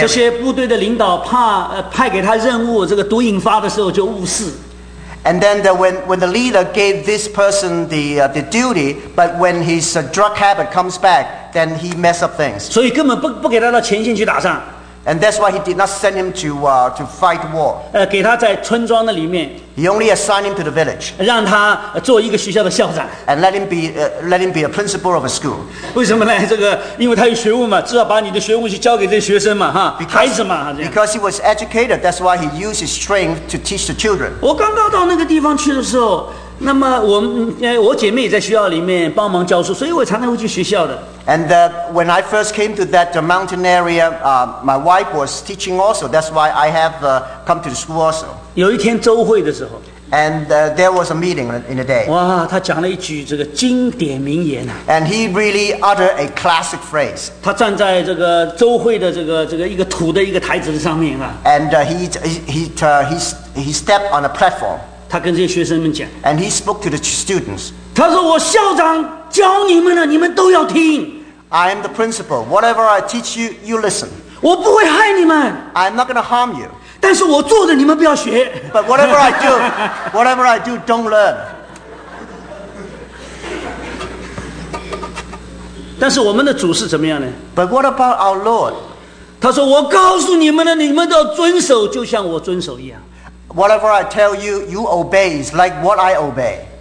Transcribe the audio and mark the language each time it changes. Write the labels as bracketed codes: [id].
[zh] 这些部队的领导怕派给他任务，这个毒瘾发的时候就误事。 [en] And then when the leader gave this person the duty, but when his drug habit comes back, then he mess up things. [zh] 所以根本不给他到前线去打仗。 [en] And that's why he did not send him to fight war. [zh] 给他在村庄的里面。 [en] He only assigned him to the village. [zh] 让他做一个学校的校长。 [en] And let him be a principal of a school. [zh] 为什么呢？这个因为他有学问嘛，至少把你的学问去交给这学生嘛，哈，孩子嘛。 [en] Because he was educated, that's why he used his strength to teach the children. [zh] 我刚刚到那个地方去的时候，那么我姐妹也在学校里面帮忙教书，所以我常常会去学校的。 [en] And when I first came to that mountain area, my wife was teaching also. That's why I have come to the school also. [zh] 有一天周会的时候。 [en] And there was a meeting in a day. [zh] 哇，他讲了一句这个经典名言啊。 [en] And he really uttered a classic phrase. [zh] 他站在这个周会的这个一个土的一个台子上面啊。 [en] And he he stepped on a platform. And he spoke to the students. [zh] 他说我校长教你们的，你们都要听。 [en] I am the principal. Whatever I teach you, you listen. [zh] 我不会害你们。 [en] I'm not going to harm you. [zh] 但是我做的你们不要学。 [en] But whatever I do, whatever I do, don't learn. [zh] 但是我们的主是怎么样呢？ [en] But what about our Lord? [zh] 他说我告诉你们的，你们都要遵守，就像我遵守一样。 [en] Whatever I tell you, you obey is like what I obey.